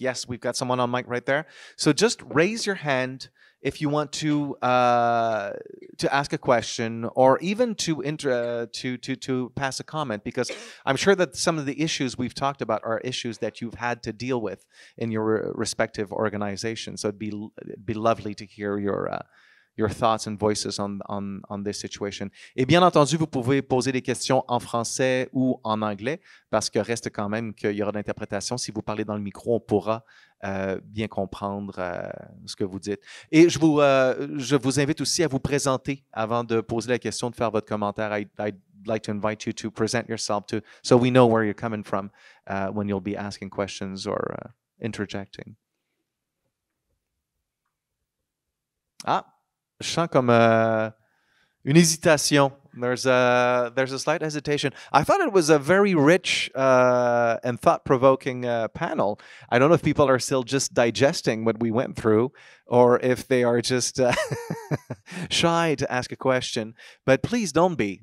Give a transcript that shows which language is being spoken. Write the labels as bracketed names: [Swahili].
[English] Yes, we've got someone on mic right there. So just raise your hand if you want to ask a question or even to pass a comment, because I'm sure that some of the issues we've talked about are issues that you've had to deal with in your respective organization. So it'd be lovely to hear your thoughts and voices on this situation. [French] Et bien entendu, vous pouvez poser des questions en français ou en anglais, parce que reste quand même qu'il y aura d'interprétation. Si vous parlez dans le micro, on pourra bien comprendre ce que vous dites. Et je vous invite aussi à vous présenter avant de poser la question, de faire votre commentaire. [English] I'd like to invite you to present yourself to, so we know where you're coming from when you'll be asking questions or interjecting. Ah! [French] Je sens comme une hésitation. [English] There's a slight hesitation. I thought it was a very rich and thought-provoking panel. I don't know if people are still just digesting what we went through or if they are just shy to ask a question. But please don't be.